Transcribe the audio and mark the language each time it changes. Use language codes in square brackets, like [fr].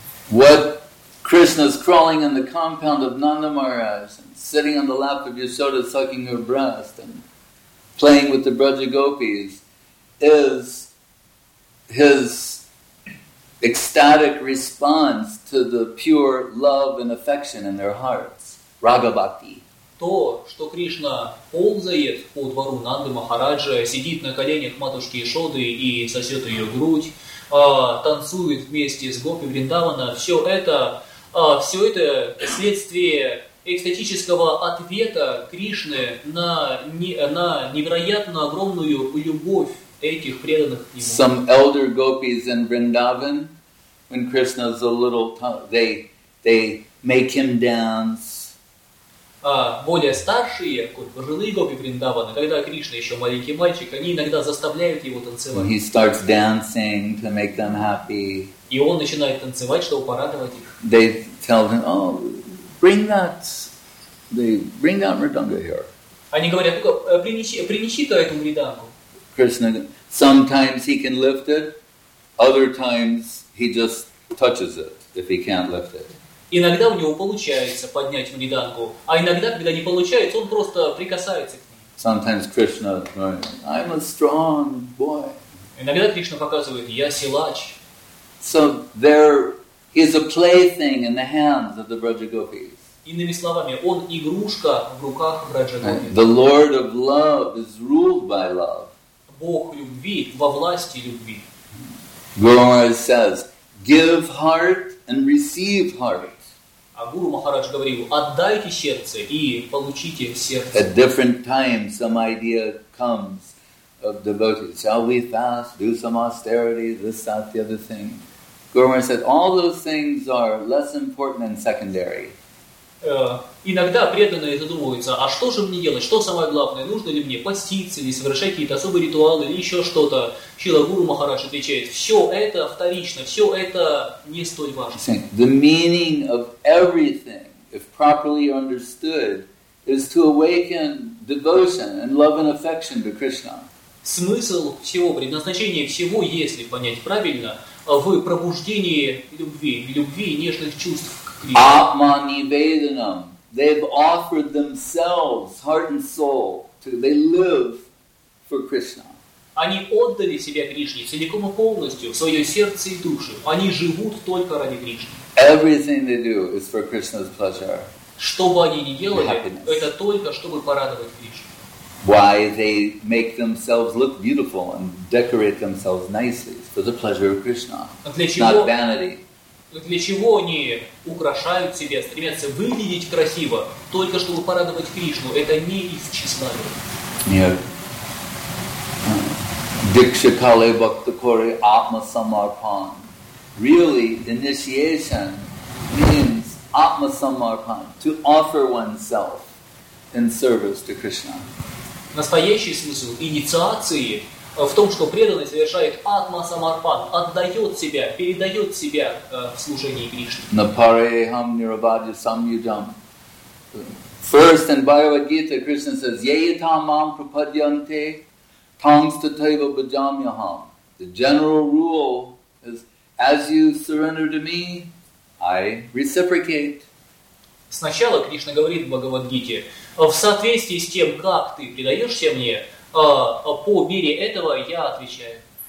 [en] What Krishna's crawling in the compound of Nanda Maharaj, and sitting on the lap of Yashoda, sucking her breast, and playing with the Brajagopis, is his ecstatic response to the pure love and affection in their hearts, Raga-bhakti. [ru] То, что Кришна ползает по двору Нанды Махараджа, сидит на коленях матушки Ишоды и сосет ее грудь, танцует вместе с гопи Вриндавана, все это следствие экстатического ответа Кришны на невероятно огромную любовь этих преданных к нему. [en] Some elder gopis in Vrindavan, when Krishna is a little, they make him dance. [ru] Более старшие, пожилые гопи Вриндавана, когда Кришна еще маленький мальчик, они иногда заставляют его танцевать. [en] He starts dancing to make them happy. [ru] И он начинает танцевать, чтобы порадовать их. [en] They tell him, oh, bring that mridanga here. [ru] Они говорят, принеси-то эту мридангу. [en] Krishna, sometimes he can lift it, other times he just touches it if he can't lift it. [ru] Иногда у него получается поднять мриданку, а иногда, когда не получается, он просто прикасается к ней. [en] Sometimes Krishna, I'm a strong boy. [ru] Иногда Кришна показывает, я силач. [en] So there, he's a plaything in the hands of the Brajagopis. [ru] Иными словами, он игрушка в руках Брахма-гопи. [en] The Lord of Love is ruled by love. [ru] Бог любви во власти любви. [en] Guru Maharaj says, give heart and receive heart. [ru] А Гуру Махарадж говорил, отдайте сердце и получите сердце. [en] At different times some idea comes of devotees. Shall we fast, do some austerity, this, that, the other thing? Guru Maharaj said, all those things are less important and secondary. [ru] Иногда преданные задумываются, а что же мне делать, что самое главное, нужно ли мне поститься или совершать какие-то особые ритуалы или еще что-то. Шрила Гуру Махарадж отвечает, все это вторично, все это не столь важно. [en] The meaning of everything, if properly understood, is to awaken devotion and love and affection to Krishna. [ru] смысл всего, предназначение всего, если понять правильно, в пробуждении любви, любви и нежных чувств к Кришне. [sa] Атмани веданам. [en] They've offered themselves, heart and soul, to, they live for Krishna. [ru] Они отдали себя Кришне целиком и полностью, в свое сердце и душу. Они живут только ради Кришны. [en] Everything they do is for Krishna's pleasure. [ru] Что бы они ни делали, это только чтобы порадовать Кришну. [en] Why they make themselves look beautiful and decorate themselves nicely for the pleasure of Krishna, not vanity. [ru] Для чего они украшают себя, стремятся выглядеть красиво, только чтобы порадовать Кришну? Это не из тщеславия. [sa] Дикша кале бхакта коре атма самарпан. [en] Really, initiation means атма самарпан, to offer oneself in service to Krishna. [ru] Настоящий смысл инициации в том, что преданный совершает атма самарпан, отдает себя, передает себя в служении Кришне. [sa] Напарехам ниравадья самьюджам. [en] First in Bhagavad Gita, Krishna says, [sa] Yeyatam mam prapadyante, tangstateva bhajamyaham. [en] The general rule is, as you surrender to me, I reciprocate. [ru] Сначала Кришна говорит в Бхагавадгите, в соответствии с тем, как ты предаешься мне, по мере этого я отвечаю.